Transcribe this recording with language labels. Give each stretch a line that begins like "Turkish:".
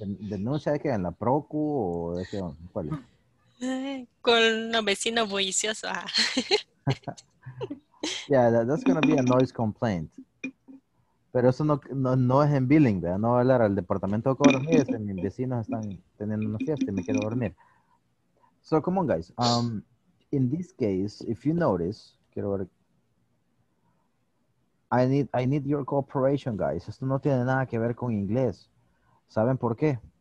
Spanish: ¿Denuncia de qué? ¿En la Procu o de qué? ¿Cuál es? Con los vecinos bulliciosos.
English: Yeah, that's going to be a noise complaint.
Spanish: Pero eso no es en billing, ¿verdad? No va a hablar al departamento de cobros. Mis vecinos están teniendo una fiesta y me quiero dormir.
English: So, come on, guys. In this case, if you notice,
Spanish: quiero ver.
English: I need your cooperation, guys.
Spanish: Esto no tiene nada que ver con inglés. ¿Saben por qué?